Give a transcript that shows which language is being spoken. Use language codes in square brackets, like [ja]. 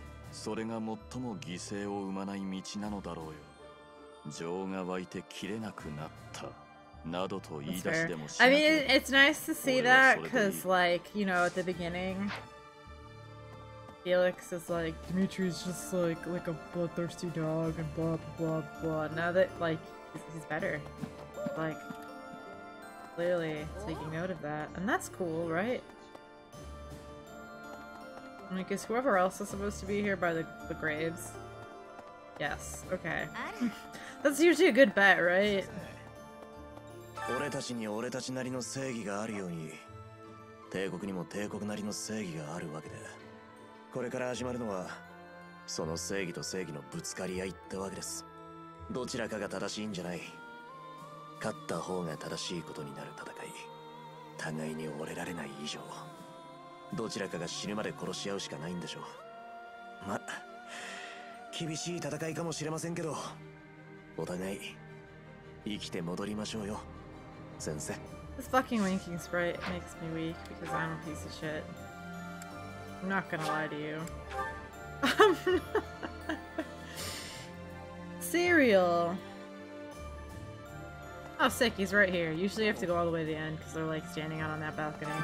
[ja] それが最も犠牲を生まない道なのだろうよ。情が湧いて切れなくなったなどと言い出しでもしない。 [en] I mean, it's nice to see that, because, like, you know, at the beginning, Felix is like, Dimitri's just like a bloodthirsty dog and blah blah blah blah. Now that, like, he's better, like, clearly taking note of that, and that's cool, right? I mean, because whoever else is supposed to be here by the graves? Yes, okay. That's usually a good bet, right? [ja] 俺たちに俺たちなりの正義があるように、帝国にも帝国なりの正義があるわけで、これから始まるのは、その正義と正義のぶつかり合いってわけです。どちらかが正しいんじゃない。勝った方が正しいことになる戦い。互いに折れられない以上。どちらかが死ぬまで殺し合うしかないんでしょう。ま、厳しい戦いかもしれませんけど、お互い生きて戻りましょうよ、先生。 [en] This fucking winking sprite makes me weak because I'm a piece of shit. I'm not gonna lie to you. Cereal. Oh, sick, he's right here. Usually you have to go all the way to the end because they're like standing out on that balcony.